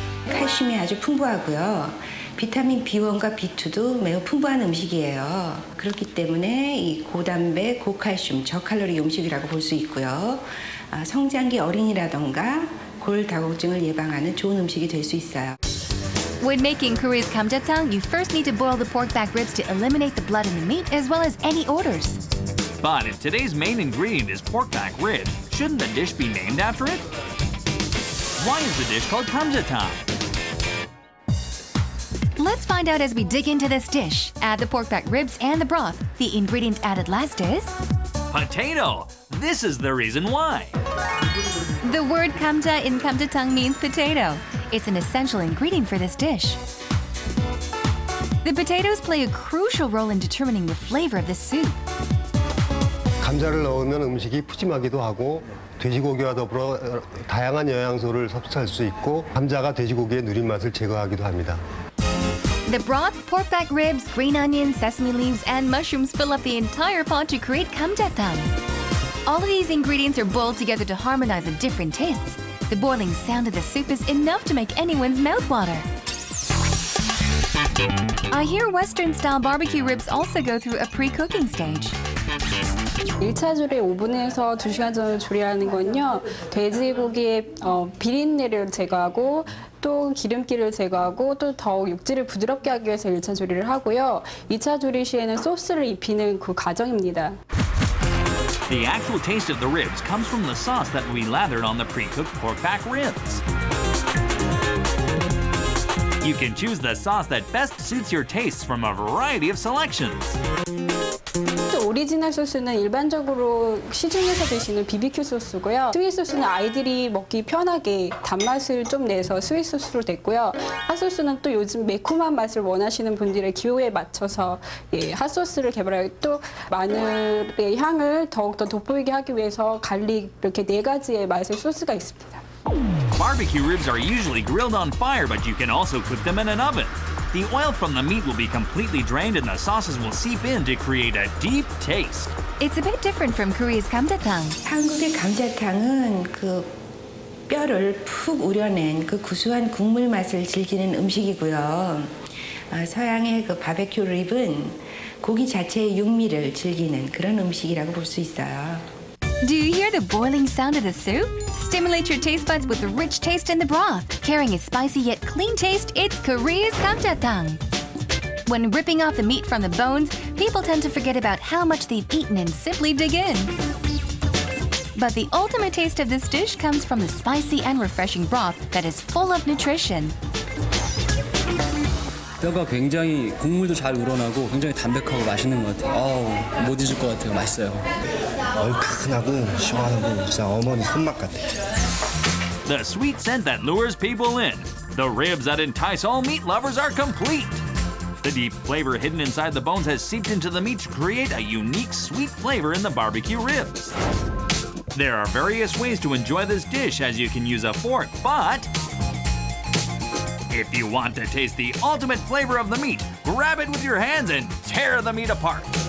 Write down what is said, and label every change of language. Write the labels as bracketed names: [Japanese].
[Korean] 칼슘이 아주 풍부하고요. 비타민 B1과 B2도 매우 풍부한 음식이에요. 그렇기 때문에 이 고단백, 고칼슘, 저칼로리 음식이라고 볼 수 있고요. 아, 성장기 어린이라던가 골다공증을 예방하는 좋은 음식이 될 수 있어요. [English] When making Korea's gamjatang, you first need to boil the pork back ribs to eliminate the blood in the meat as well as any odors. But if today's main ingredient is pork back rib, shouldn't the dish be named after it? Why is the dish called gamjatang? Let's find out as we dig into this dish. Add the pork back ribs and the broth. The ingredient added last is... Potato! This is the reason why. The word gamja in gamjatang means potato. It's an essential ingredient for this dish. The potatoes play a crucial role in determining the flavor of this soup. [Korean] 감자를 넣으면 음식이 푸짐하기도 하고 돼지고기와 더불어 다양한 영양소를 섭취할 수 있고 감자가 돼지고기의 누린 맛을 제거하기도 합니다. [English] The broth, pork back ribs, green onions, sesame leaves, and mushrooms fill up the entire pot to create gamjatang. All of these ingredients are boiled together to harmonize the different tastes. The boiling sound of the soup is enough to make anyone's mouth water. I hear Western-style barbecue ribs also go through a pre-cooking stage. [Korean] 1차 조리 오븐에서 2시간 전에 조리하는 건요. 돼지고기의 비린내를 제거하고 또 기름기를 제거하고 또 더욱 육질을 부드럽게 하기 위해서 1차 조리를 하고요. 2차 조리 시에는 소스를 입히는 그 과정입니다. [English] The actual taste of the ribs comes from the sauce that we lathered on the pre-cooked pork back ribs. You can choose the sauce that best suits your tastes from a variety of selections. [Korean] 오리지널 소스는 일반적으로 시중에서 드시는 BBQ 소스고요. 스위스 소스는 아이들이 먹기 편하게 단맛을 좀 내서 스위스 소스로 됐고요. 핫소스는 또 요즘 매콤한 맛을 원하시는 분들의 기호에 맞춰서 예, 핫소스를 개발하고 또 마늘의 향을 더욱더 돋보이게 하기 위해서 갈릭 이렇게 네 가지의 맛의 소스가 있습니다. [English] Barbecue ribs are usually grilled on fire, but you can also cook them in an oven. The oil from the meat will be completely drained and the sauces will seep in to create a deep taste. It's a bit different from Korea's gamjatang. [Korean] 한국의 감자탕은 그 뼈를 푹 우려낸 그 구수한 국물 맛을 즐기는 음식이고요. 서양의 그 바베큐 립은 고기 자체의 육미를 즐기는 그런 음식이라고 볼 수 있어요. [English] Do you hear the boiling sound of the soup? Stimulate your taste buds with the rich taste in the broth. Carrying a spicy yet clean taste, it's Korea's gamjatang. When ripping off the meat from the bones, people tend to forget about how much they've eaten and simply dig in. But the ultimate taste of this dish comes from the spicy and refreshing broth that is full of nutrition. [Korean] 뼈가 굉장히 국물도 잘 우러나고 굉장히 담백하고 맛있는 것 같아요. 아우 못 잊을 것 같아요. 맛있어요. 얼큰하고 시원하고 진짜 어머니 손맛 같아요. [English] The sweet scent that lures people in. The ribs that entice all meat lovers are complete. The deep flavor hidden inside the bones has seeped into the meat to create a unique sweet flavor in the barbecue ribs. There are various ways to enjoy this dish as you can use a fork, but if you want to taste the ultimate flavor of the meat, grab it with your hands and tear the meat apart.